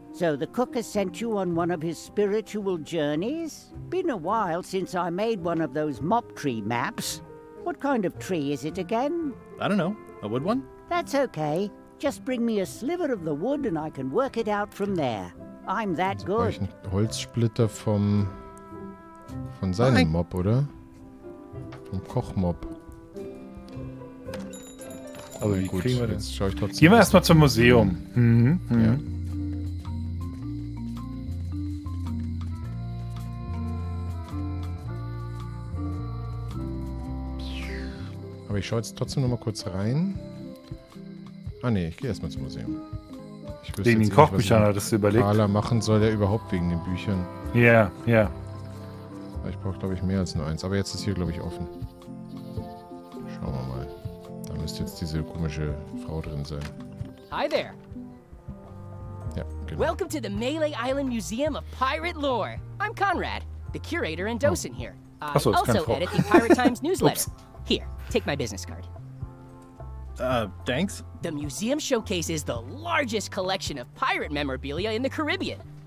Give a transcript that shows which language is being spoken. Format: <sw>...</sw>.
<en>So the cook has sent you on one of his spiritual journeys? Been a while since I made one of those mop tree maps. What kind of tree is it again? I don't know. A wood one? That's okay. Just bring me a sliver of the wood and I can work it out from there. I'm that good.</en> <de>Brauche ich einen Holzsplitter von seinem Mop, oder? Vom Kochmop. Aber wie gut, kriegen wir jetzt das? Schaue ich trotzdem. Gehen wir erstmal zum Museum. Ja. Aber ich schaue jetzt trotzdem noch mal kurz rein. Ah ne, ich gehe erstmal zum Museum. Wegen den Kochbüchern, hattest du überlegt? Carla machen soll ja überhaupt wegen den Büchern. Ja, ja. Ich brauche, glaube ich, mehr als nur eins. Aber jetzt ist hier, glaube ich, offen. Schauen wir mal. Da müsste jetzt diese komische Frau drin sein.</de> <en>Hi there.</en> <de>Ja, genau.</de> <en>Welcome to the Melee Island Museum of Pirate Lore. I'm Conrad, the curator and docent here.</en> <de>Achso, ist keine Frau.</de> <en>Edit the Pirate Times Newsletter. Here, take my business card. Thanks. The museum showcases the largest collection of pirate memorabilia in the Caribbean.</en>